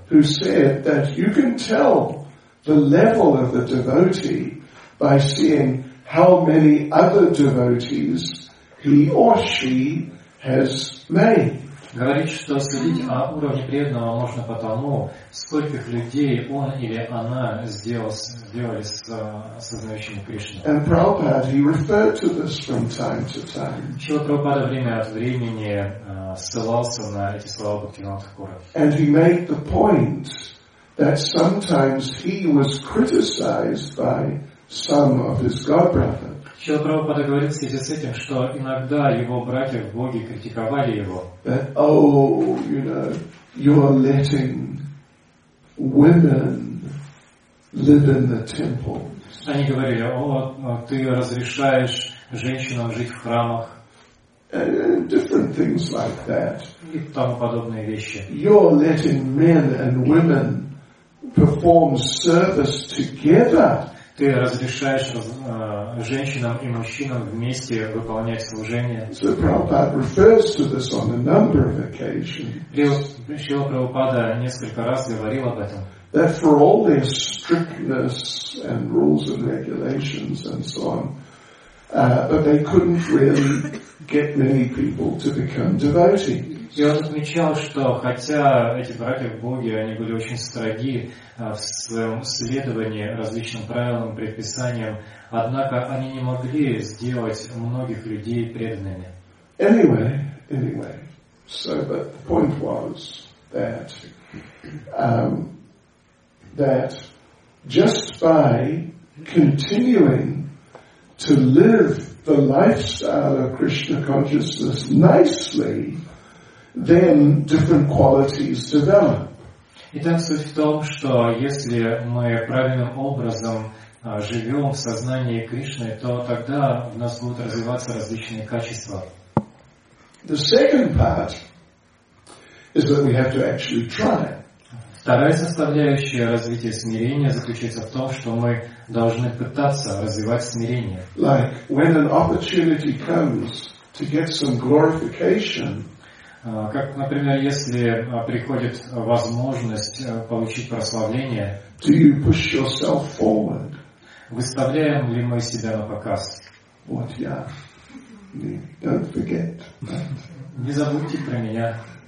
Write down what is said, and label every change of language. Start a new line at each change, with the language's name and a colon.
English: who said that you can tell the level of the devotee by seeing how many other devotees he or she has made.
Russian: Говорит, что следить о уровне преданного можно потому, сколько людей он или она сделали с осознающим Кришной.
English: And Prabhupada, he referred to this from time to time.
Russian: Шрила Прабхупада время от времени ссылался на эти слова Бхактивинода Тхакура.
English: And he made the point that sometimes he was criticized by some of his godbrothers.
Russian: Шрила Прабхупада говорит в связи с этим, что иногда его братья в Боге критиковали его.
English: That, oh, you know, you are letting women live in the temple.
Russian: Они говорили, о, ты разрешаешь женщинам жить в храмах.
English: And different things like that.
Russian: И тому подобные вещи.
English: You're letting men and women perform service together.
Russian: Ты разрешаешь женщинам и мужчинам вместе выполнять служение.
English: So Prabhupada refers to this on a number of occasions.
Russian: Шрила Прабхупада несколько раз говорил об этом.
English: That for all their strictness and rules and regulations and so on, but they couldn't really get many people to become devotees.
Russian: И он отмечал, что хотя эти братья-боги, они были очень строги в своем следовании различным правилам, предписаниям, однако они не могли сделать многих людей преданными.
English: Anyway, so, but the point was that that just by continuing to live the lifestyle of Krishna consciousness nicely, then different qualities develop.
Russian: Итак, суть в том, что если мы правильным образом живем в сознании Кришны, то тогда в нас будут развиваться различные качества.
English: The second part is that we have to actually try.
Russian: Вторая составляющая развития смирения заключается в том, что мы должны пытаться развивать смирение.
English: Like when an opportunity comes to get some glorification.
Russian: Как, например, если приходит возможность получить прославление,
English: do you push yourself forward?
Russian: Выставляем ли мы себя на показ?
English: What, yeah. Don't forget.
Russian: Не забудьте про меня.